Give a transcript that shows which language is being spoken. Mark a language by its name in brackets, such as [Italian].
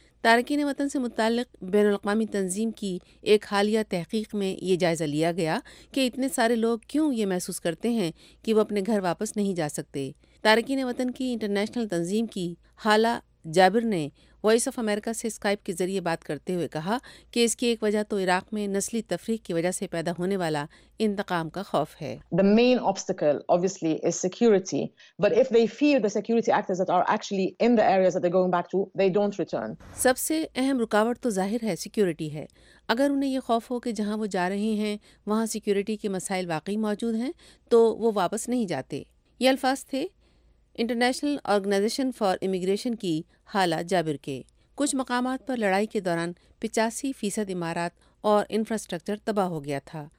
[Urdu] تارکین وطن سے متعلق بین الاقوامی تنظیم کی ایک حالیہ تحقیق میں یہ جائزہ لیا گیا کہ اتنے سارے لوگ کیوں یہ محسوس کرتے ہیں کہ وہ اپنے گھر واپس نہیں جا سکتے. تارکین وطن کی انٹرنیشنل تنظیم کی حالہ جابر نے وائس آف امریکہ سے اسکائپ کے ذریعے بات کرتے ہوئے کہا کہ اس کی ایک وجہ تو عراق میں نسلی تفریق کی وجہ سے پیدا ہونے والا انتقام کا خوف ہے. [English] The main obstacle obviously is security, but if they fear the security actors that are actually in the areas that they're going back to, they don't return. [Urdu] سب سے اہم رکاوٹ تو ظاہر ہے سیکیورٹی ہے. اگر انہیں یہ خوف ہو کہ جہاں وہ جا رہے ہیں وہاں سیکیورٹی کے مسائل واقعی موجود ہیں، تو وہ واپس نہیں جاتے. یہ الفاظ تھے انٹرنیشنل آرگنائزیشن فار امیگریشن کی حالہ جابر کے. کچھ مقامات پر لڑائی کے دوران 85% عمارات اور انفراسٹرکچر تباہ ہو گیا تھا.